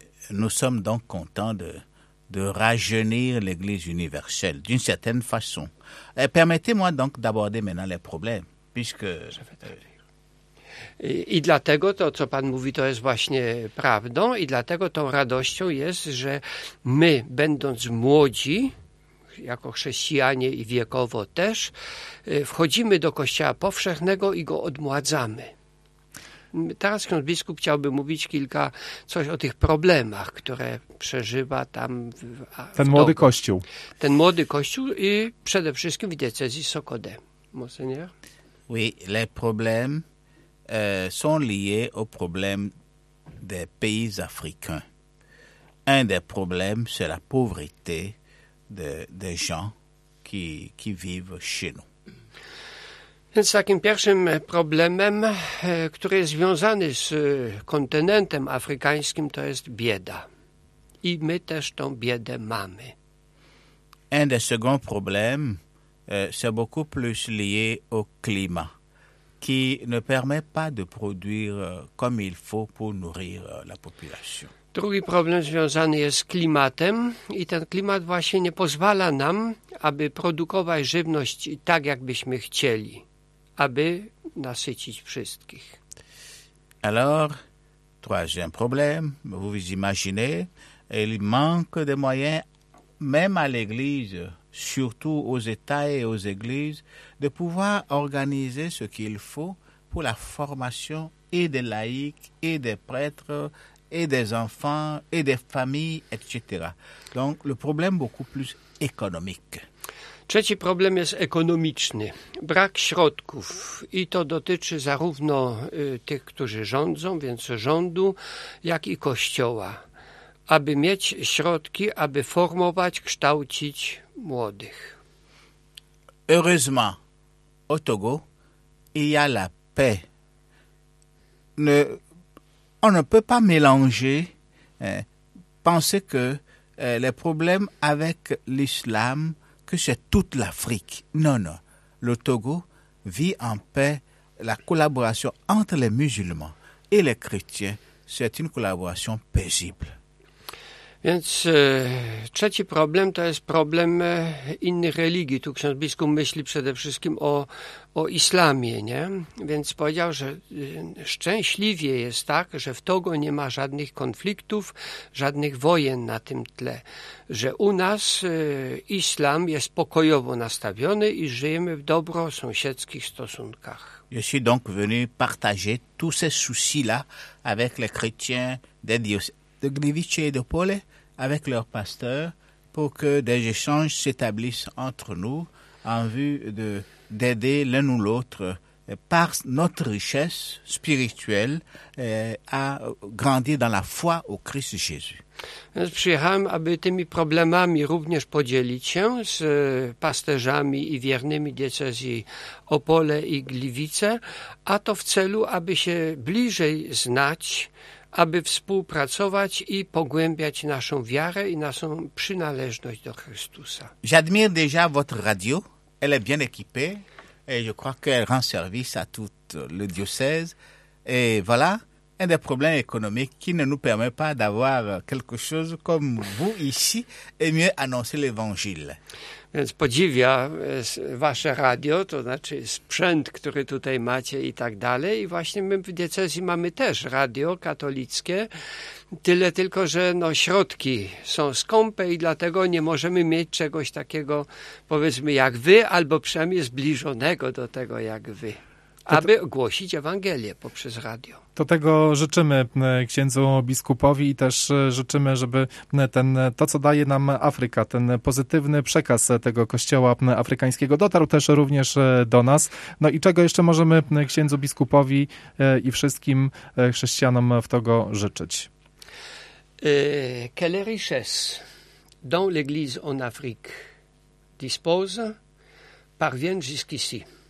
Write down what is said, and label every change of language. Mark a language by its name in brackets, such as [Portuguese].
[French] Nous sommes donc contents de rajeunir l'Église universelle, d'une certaine façon. Et permettez-moi donc d'aborder maintenant les problèmes, puisque... [Polish] I dlatego to, co pan mówi, to jest właśnie prawdą i dlatego tą radością jest, że my, będąc młodzi, jako chrześcijanie i wiekowo też, wchodzimy do Kościoła Powszechnego i go odmładzamy. Teraz ksiądz biskup chciałby mówić kilka coś o tych problemach, które przeżywa tam ten młody kościół. Ten młody kościół i przede wszystkim w diecezji Sokode. [French] Monseigneur? Oui, les problèmes sont liés aux problèmes des pays africains. Un des problèmes, c'est la pauvreté des gens qui vivent chez nous. [Polish] Więc takim pierwszym problemem, który jest związany z kontynentem afrykańskim, to jest bieda. I my też tą biedę mamy. [French] Un des seconds problèmes, c'est beaucoup plus lié au climat, qui ne permet pas de produire comme il faut pour nourrir la population. [Polish] Drugi problem związany jest z klimatem i ten klimat właśnie nie pozwala nam, aby produkować żywność tak, jakbyśmy chcieli. Aby nasycić wszystkich. [French] Alors, troisième problème, vous imaginez, il manque de moyens, même à l'Église, surtout aux États et aux Églises, de pouvoir organiser ce qu'il faut pour la formation et des laïcs, et des prêtres, et des enfants, et des familles, etc. Donc, le problème beaucoup plus économique. [Polish] Trzeci problem jest ekonomiczny. Brak środków i to dotyczy zarówno tych, którzy rządzą, więc rządu, jak i kościoła, aby mieć środki, aby formować, kształcić młodych. [French] Heureusement, au Togo, il y a la paix. On ne peut pas mélanger, penser que les problèmes avec l'islam que c'est toute l'Afrique. Non, non. Le Togo vit en paix. La collaboration entre les musulmans et les chrétiens, c'est une collaboration paisible. [Polish] Więc trzeci problem to jest problem innych religii. Tu ksiądz biskup myśli przede wszystkim o islamie, nie? Więc powiedział, że szczęśliwie jest tak, że w Togo nie ma żadnych konfliktów, żadnych wojen na tym tle. Że u nas islam jest pokojowo nastawiony i żyjemy w dobrosąsiedzkich stosunkach. [French] Je suis donc venu partager tous ces soucis-là avec les chrétiens des diocèses de Gliwice et de Pole, avec leurs pasteurs, pour que des échanges s'établissent entre nous en vue d'aider l'un ou l'autre par notre richesse spirituelle à grandir dans la foi au Christ Jésus. [Polish] Przyjechałem, aby tymi problemami również podzielić się z pasterzami i wiernymi diecezji Opole i Gliwice, a to w celu, aby się bliżej znać, aby współpracować i pogłębiać naszą wiarę i naszą przynależność do Chrystusa. [French] J'admire déjà votre radio. Elle est bien équipée et je crois qu'elle rend service à tout le diocèse. Et voilà, un des problèmes économiques qui ne nous permet pas d'avoir quelque chose comme vous ici et mieux annoncer l'évangile. [Polish] Więc podziwia wasze radio, to znaczy sprzęt, który tutaj macie i tak dalej. I właśnie my w diecezji mamy też radio katolickie, tyle tylko, że no środki są skąpe i dlatego nie możemy mieć czegoś takiego, powiedzmy, jak wy, albo przynajmniej zbliżonego do tego, jak wy, aby głosić Ewangelię poprzez radio. To tego życzymy księdzu biskupowi i też życzymy, żeby to, co daje nam Afryka, ten pozytywny przekaz tego kościoła afrykańskiego dotarł też również do nas. No i czego jeszcze możemy księdzu biskupowi i wszystkim chrześcijanom w Togo życzyć? [French] Que les richesses dont l'Église en Afrique dispose parviennent jusqu'ici.